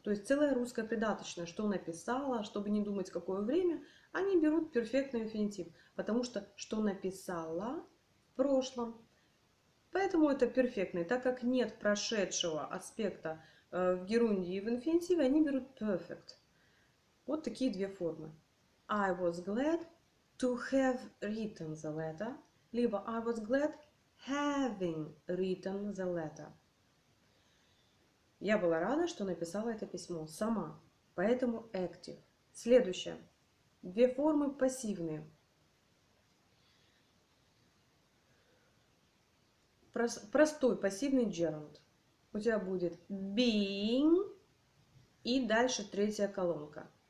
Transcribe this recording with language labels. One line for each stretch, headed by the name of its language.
Russian: То есть целая русская придаточная, что написала, чтобы не думать, какое время, они берут перфектный инфинитив, потому что написала в прошлом. Поэтому это перфектный, так как нет прошедшего аспекта в герунде и в инфинитиве, они берут perfect. Вот такие две формы.
English: I was glad to have written the letter, либо I was glad having written the letter.
Russian: Я была рада, что написала это письмо сама, поэтому active. Следующее. Две формы пассивные. Простой пассивный gerund. У тебя будет being и дальше третья колонка.